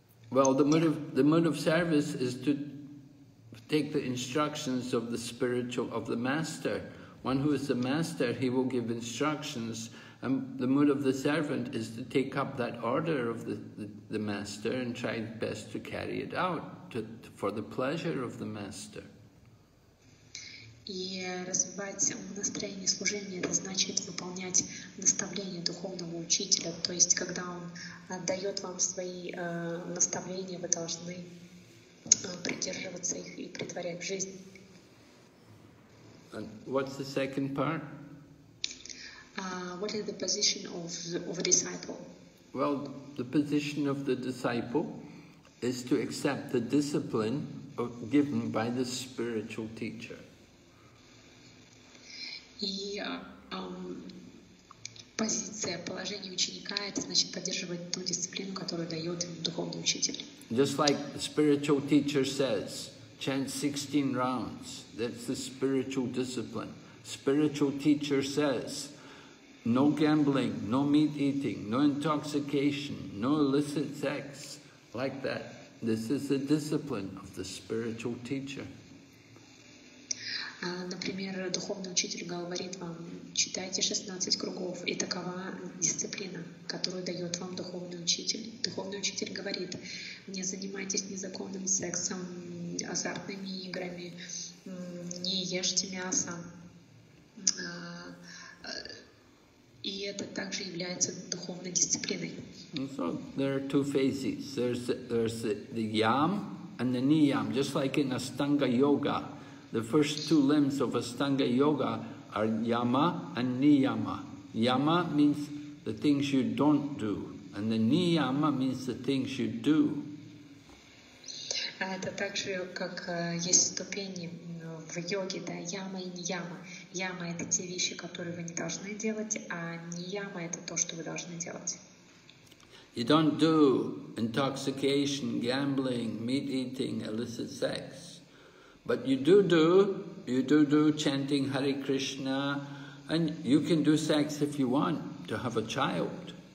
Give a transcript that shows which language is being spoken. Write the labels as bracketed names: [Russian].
[English] Well, the mood of service is to take the instructions of the spiritual, of the master. One who is the master, he will give instructions, and the mood of the servant is to take up that order of the master and try best to carry it out for the pleasure of the master. [Russian] И развивать настроение служения – это значит выполнять наставления духовного учителя. То есть, когда он дает вам свои наставления, вы должны придерживаться их и притворять в жизнь. [English] And what's the second part? What is the position of a disciple? Well, the position of the disciple is to accept the discipline given by the spiritual teacher. [Russian] И позиция, положение ученика – это значит поддерживать ту дисциплину, которую дает духовный учитель. [English] Just like the spiritual teacher says, chant 16 rounds, that's the spiritual discipline. Spiritual teacher says, no gambling, no meat eating, no intoxication, no illicit sex, like that. This is the discipline of the spiritual teacher. [Russian] Например, духовный учитель говорит вам, читайте 16 кругов, и такова дисциплина, которую дает вам духовный учитель. Духовный учитель говорит, не занимайтесь незаконным сексом, азартными играми, не ешьте мясо. И это также является духовной дисциплиной. [English] So there are two phases. There's the yam and the niyam, just like in Ashtanga yoga. The first two limbs of Ashtanga yoga are yama and niyama. Yama means the things you don't do, and the niyama means the things you do. [Russian] Это также как есть ступени в йоге, да, яма и ниама. Яма это те вещи, которые вы не должны делать, а ниама это то, что вы должны делать. [English] You don't do intoxication, gambling, meat eating, illicit sex. But you do chanting Hare Krishna, and you can do sex if you want to have a child.